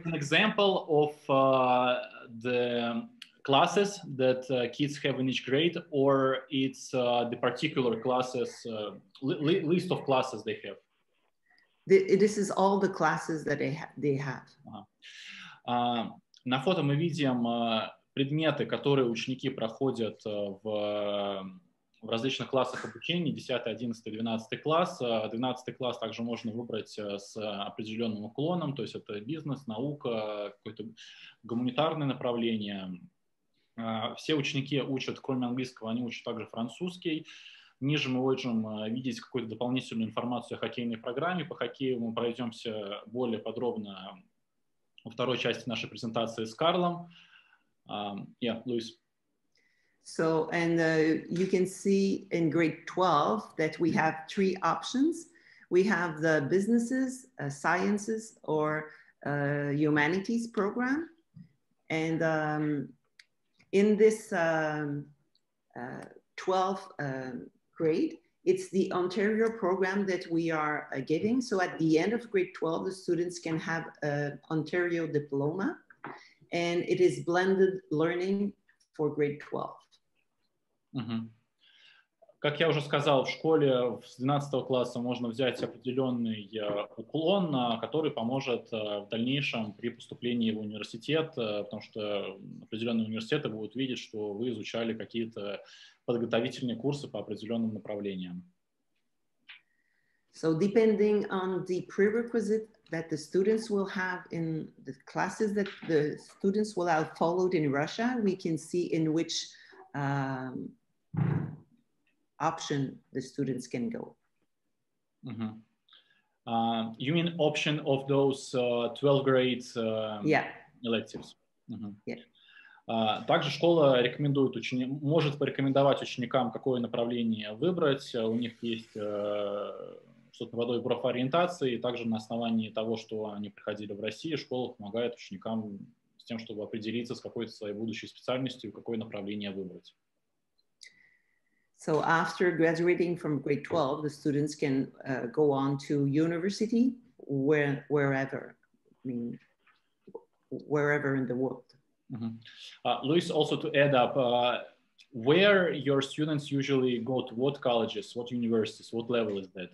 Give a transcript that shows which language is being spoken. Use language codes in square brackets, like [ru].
[en] An example of the classes that kids have in each grade, or it's the particular classes, list of classes they have? This is all the classes that they have. [ru] На фото мы видим предметы, которые ученики проходят в различных классах обучения, 10, 11, 12 класс. 12 класс также можно выбрать с определенным уклоном, то есть это бизнес, наука, какое-то гуманитарное направление. Все ученики учат, кроме английского, они учат также французский. Ниже мы можем видеть какую-то дополнительную информацию о хоккейной программе. По хоккею мы пройдемся более подробно во второй части нашей презентации с Карлом. Луис. [en] So, and you can see in grade 12 that we have three options. We have the businesses, sciences, or humanities program. And in this 12th grade, it's the Ontario program that we are giving. So at the end of grade 12, the students can have an Ontario diploma, and it is blended learning for grade 12. [ru] Как я уже сказал, в школе с 12 класса можно взять определенный уклон, который поможет в дальнейшем при поступлении в университет, потому что определенные университеты будут видеть, что вы изучали какие-то подготовительные курсы по определенным направлениям. [en] So depending on the prerequisite that the students will have in the classes that the students will have followed in Russia, we can see in which option the students can go. You mean option of those 12 grades electives? [ru] Также школа рекомендует может порекомендовать ученикам, какое направление выбрать. У них есть что-то подобное профориентации. Также на основании того, что они приходили в Россию, школа помогает ученикам с тем, чтобы определиться с какой-то своей будущей специальностью, какое направление выбрать. [en] So after graduating from grade 12, the students can go on to university wherever in the world. Luis, also to add up, where your students usually go to, what colleges, what universities, what level is that?